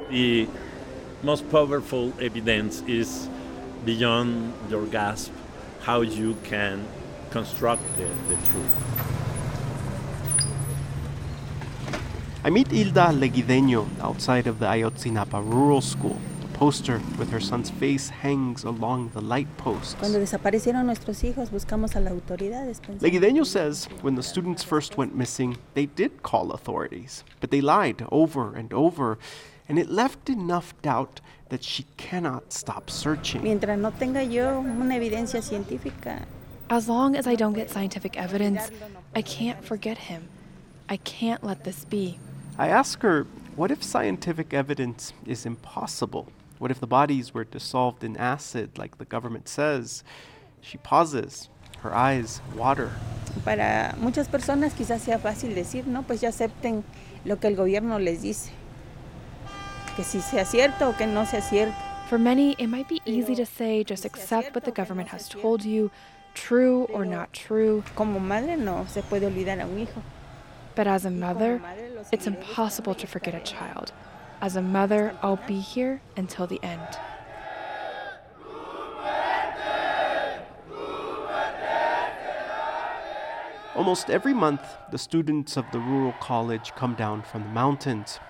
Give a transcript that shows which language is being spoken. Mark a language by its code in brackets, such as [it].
[en] the most powerful evidence is beyond your grasp, how you can construct the truth. I meet Hilda Leguideño outside of the Ayotzinapa Rural School. A poster with her son's face hangs along the light posts. [es] Cuando desaparecieron nuestros hijos, buscamos a la autoridad. [en] Leguideño says when the students first went missing, they did call authorities, but they lied over and over, and it left enough doubt that she cannot stop searching. [es] Mientras no tenga yo una evidencia científica. [en] As long as I don't get scientific evidence, I can't forget him. I can't let this be. I ask her, what if scientific evidence is impossible? What if the bodies were dissolved in acid, like the government says? She pauses, her eyes water. [es] Para muchas personas quizás sea fácil decir, ¿no? Pues ya acepten lo que el gobierno les dice. Que si sea cierto o que no sea cierto. [en] For many, it might be easy to say, just accept what the government has told you, true or not true. [es] Como madre no se puede olvidar a un hijo. [en] But as a mother, it's impossible to forget a child. As a mother, I'll be here until the end. Almost every month, the students of the rural college come down from the mountains.